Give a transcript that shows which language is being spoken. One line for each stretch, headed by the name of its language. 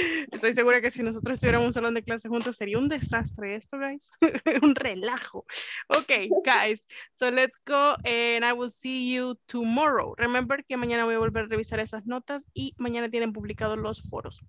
Spanish: Estoy segura que si nosotros estuviéramos en un salón de clases juntos sería un desastre esto, guys. Un relajo.
English: Okay, guys. So let's go and I will see you tomorrow.
Spanish: Remember que mañana voy a volver a revisar esas notas y mañana tienen publicados los foros.